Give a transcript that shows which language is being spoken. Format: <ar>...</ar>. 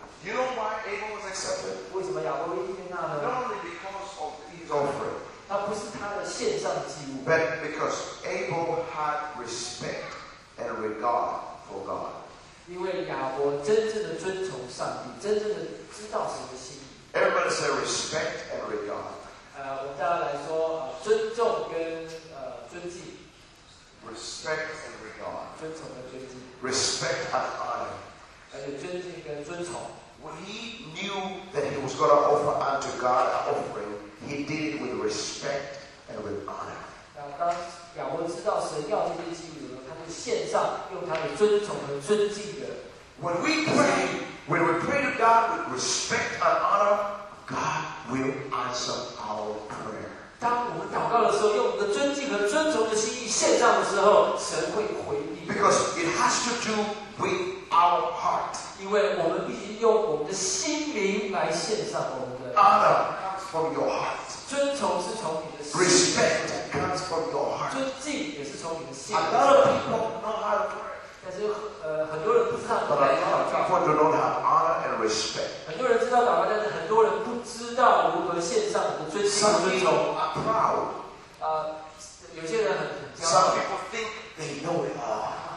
<en>You know why Abel was accepted?</en> <zh>为什么亚伯被悦纳呢？</zh> <en>Not only because of his offering.</en> <zh>他不是他的献上祭物。</zh> <en>But because Abel had respect and regard for God.</en> <zh>因为亚伯真正的尊崇上帝，真正的知道神的心意。</zh> <en>Everybody say respect and regard.</en> <zh>我们大家来说，尊重跟尊敬。</zh> <en>Respect and regard.</en> <zh>尊崇跟尊敬。</zh> <en>Respect and honor.</en> <zh>尊敬跟尊崇。</zh> <en>When he knew that he was going to offer unto God an offering, he did it with respect and with honor.</en> <zh>当亚伯知道神要这些祭物的时候，他就献上用他的尊崇和尊敬的。</zh> <en>When we pray, when we pray to God with respect and honor, God will answer our prayer.</en> <zh>当我们祷告的时候，用我们的尊敬和尊崇的心意献上的时候，神会回应。</zh> <en>Because it has to do with our heart.</en> <zh>因为我们必须用我们的心灵来献上我们的。</zh> <en>Honor from your heart.</en> <zh>尊崇是从你的心。</zh> <en>Respect comes from your heart.</en> <zh>尊敬也是从你的心。</zh> <en>A lot of people know how to pray.</en> <zh>但是很多人不知道怎么来祷告。</zh> <en>People do not have honor and respect.</en> <zh>很多人知道祷告，但是很多人不知道如何献上我们的尊敬和尊崇。</zh> <en>Some people are proud.</en> <zh>有些人很骄傲。</zh> <en>Some people think they know it all.</en>